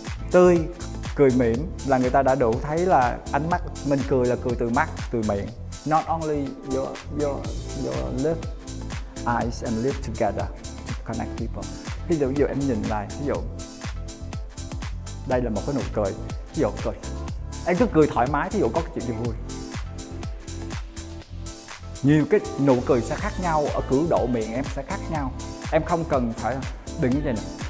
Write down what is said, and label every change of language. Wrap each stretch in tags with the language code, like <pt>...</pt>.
<vi>Tươi, cười mỉm là người ta đã đủ thấy là ánh mắt mình cười là cười từ mắt, từ miệng.</vi> <en>Not only your lips, eyes and lips together to connect people.</en> <vi>Ví dụ giờ em nhìn lại, ví dụ đây là một cái nụ cười, ví dụ cười em cứ cười thoải mái, ví dụ có cái chuyện gì vui. Nhiều cái nụ cười sẽ khác nhau, ở cử độ miệng em sẽ khác nhau. Em không cần phải đứng như vậy nè.</vi>